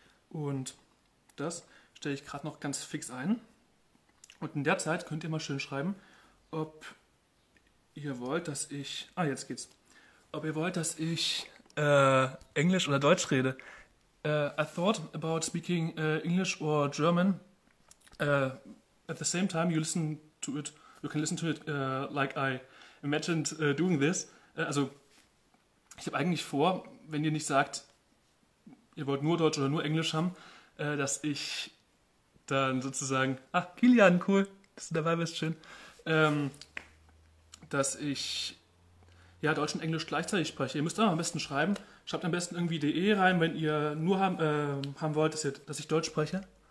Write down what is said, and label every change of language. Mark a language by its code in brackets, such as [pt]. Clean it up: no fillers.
[de] Und das stelle ich gerade noch ganz fix ein. Und in der Zeit könnt ihr mal schön schreiben, ob ihr wollt, dass ich... Ah, jetzt geht's. Ob ihr wollt, dass ich Englisch oder Deutsch rede. [en] I thought about speaking English or German. At the same time, you listen to it. You can listen to it like I imagined doing this. [de] Also, ich habe eigentlich vor, wenn ihr nicht sagt... ihr wollt nur Deutsch oder nur Englisch haben, dass ich dann sozusagen, ah, Kilian, cool, dass du dabei bist, schön, dass ich ja Deutsch und Englisch gleichzeitig spreche. Ihr müsst auch am besten schreiben, schreibt am besten irgendwie DE rein, wenn ihr nur haben wollt, dass ich Deutsch spreche.